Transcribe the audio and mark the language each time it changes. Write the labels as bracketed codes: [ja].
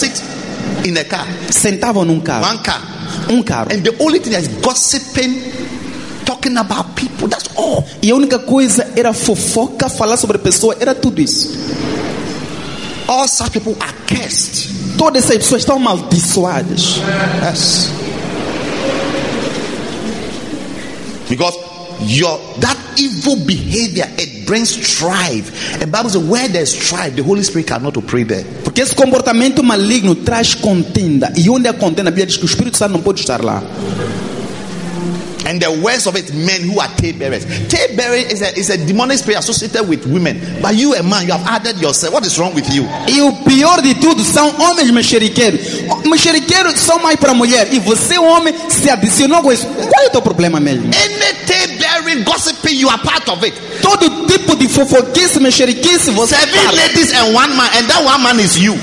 [en] Sit in the car. [pt] Sentavam num carro. [en] One car. [pt] Um carro. [en] And the only thing is gossiping, talking about people. That's all. [pt] E a única coisa era fofoca, falar sobre pessoa, era tudo isso. [en] All such people are cursed. [pt] Todas essas pessoas estão amaldiçoadas. [en] Yes. Because that evil behavior, it brings strife. And Bible says, where there's strife, the Holy Spirit cannot operate there. [pt] Porque esse comportamento maligno traz contenda. E onde há contenda, a Bíblia diz que o Espírito Santo não pode estar lá. [en] And the worst of it, men who are tale-bearers. Tale-bearing is a demonic spirit associated with women. But you, a man, you have added yourself. What is wrong with you? [pt] E o pior de tudo são homens mexeriqueiros. Mexeriqueiros são mais para mulher. E você, homem, se adicionou com isso. Qual é o teu problema mesmo? [en] Any tale-bearing gossiping, you are part of it. [pt] Todo tipo de fofoquice, mexeriquice, você é parte. [en] 7 ladies and 1 man, and that 1 man is you.